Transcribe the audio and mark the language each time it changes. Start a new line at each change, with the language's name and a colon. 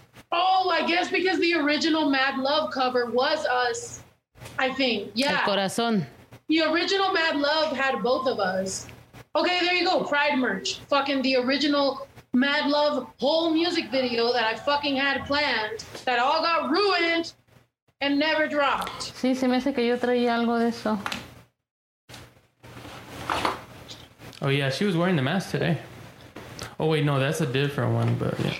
English: Oh, I guess because the original Mad Love cover was us, I think. Yeah.
Spanish: El corazón.
English: The original Mad Love had both of us. Okay, there you go. Pride merch. Fucking the original Mad Love whole music video that I fucking had planned that all got ruined and never dropped.
Spanish: Sí, se me hace que yo traía algo de eso.
English: Oh, yeah, she was wearing the mask today. Oh, wait, no, that's a different one, but yeah.